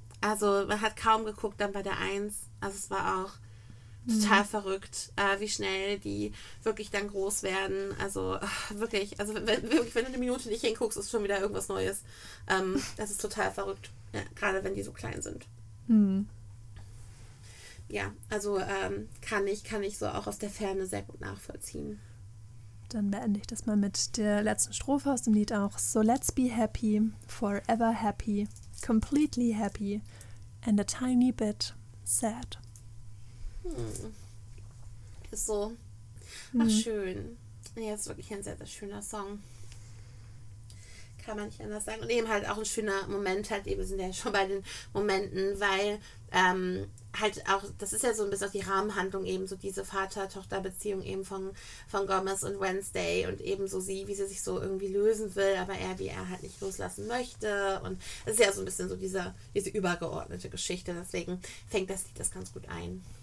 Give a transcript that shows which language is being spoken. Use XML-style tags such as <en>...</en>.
<de>Also man hat kaum geguckt dann bei der 1, also es war auch total verrückt, wie schnell die wirklich dann groß werden, also wirklich, also wenn du eine Minute nicht hinguckst, ist schon wieder irgendwas Neues. Das ist total verrückt, ja, gerade wenn die so klein sind. Ja, also kann ich so auch aus der Ferne sehr gut nachvollziehen. Dann beende ich das mal mit der letzten Strophe aus dem Lied auch.</de> <en>So let's be happy, forever happy, completely happy and a tiny bit sad.</en> <de>Ist so. Ach, schön. Ja, ist wirklich ein sehr, sehr schöner Song. Kann man nicht anders sagen. Und eben halt auch ein schöner Moment, halt eben sind ja schon bei den Momenten, weil halt auch, das ist ja so ein bisschen auch die Rahmenhandlung eben, so diese Vater-Tochter-Beziehung eben von Gomez und Wednesday und eben so sie, wie sie sich so irgendwie lösen will, aber er, wie er halt nicht loslassen möchte und das ist ja so ein bisschen so diese übergeordnete Geschichte, deswegen fängt das Lied das ganz gut ein.</de>